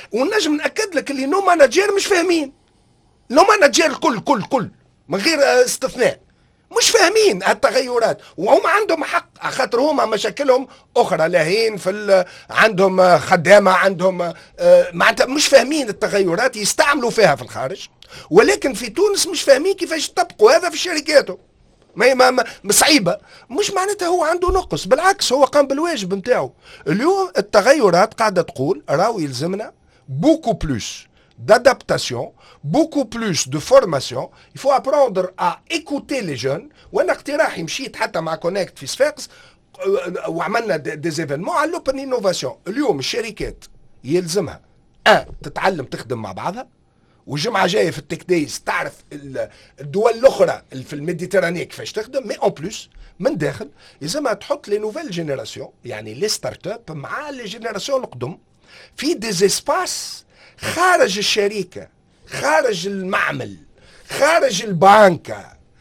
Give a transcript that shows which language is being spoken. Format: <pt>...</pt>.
<ar>ونجم ناكد لك اللي نو ماناجير مش فاهمين، نو ماناجير كل كل كل من غير استثناء مش فاهمين التغيرات، وهم عندهم حق خاطر هما مشاكلهم اخرى لاهين في عندهم خدامه، عندهم معناتها مش فاهمين التغيرات يستعملوا فيها في الخارج، ولكن في تونس مش فاهمين كيفاش يطبقوا هذا في شركاتهم. ما صعيبه، مش معناتها هو عنده نقص، بالعكس هو قام بالواجب نتاعو. اليوم التغيرات قاعده تقول راهو يلزمنا</ar> <fr>بوكو بلوس d'adaptation, beaucoup plus de formation. Il faut apprendre à écouter les jeunes.</fr> <ar>وانا اقتراحي مشيت حتى مع كونكت في صفاقس وعملنا دي زيفينمون على لوبن انوفاسيون. اليوم الشركات يلزمها ان تتعلم تخدم مع بعضها، والجمعه جايه في التيك دايز تعرف الدول الاخرى في الميديتيرانيه كيفاش تخدم،</ar> <fr>مي اون بلوس</fr> <ar>من داخل يلزمها تحط لي نوفيل جينيراسيون، يعني لي ستارت اب مع لي جينيراسيون القدم في دي زيسباس خارج الشركة، خارج المعمل، خارج البنكة،</ar>